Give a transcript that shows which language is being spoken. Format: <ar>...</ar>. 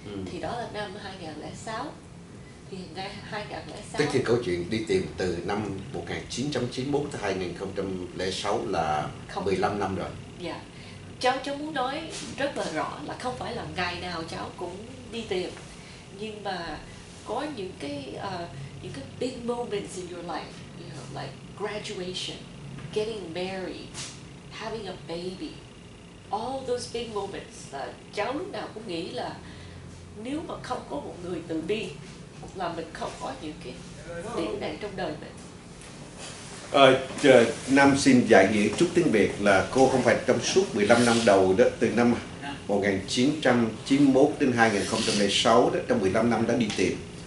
<vi>Thì đó là năm 2006. Thì ngày 2006, tức thì câu chuyện đi tìm từ năm 1991 tới 2006 là không, 15 năm rồi. Dạ. Cháu muốn nói rất là rõ là không phải là ngày nào cháu cũng đi tìm. Nhưng mà có những cái</vi> <en>big moments in your life, you know, like graduation, getting married, having a baby, all those big moments.</en> <vi>Cháu lúc nào cũng nghĩ là nếu mà không có một người từ bi là mình không có những cái điểm này trong đời mình. Nam xin giải nghĩa chút tiếng Việt là cô không phải trong suốt 15 năm đầu đó, từ năm 1991 đến 2006 đó, trong 15 năm đã đi tìm,</vi>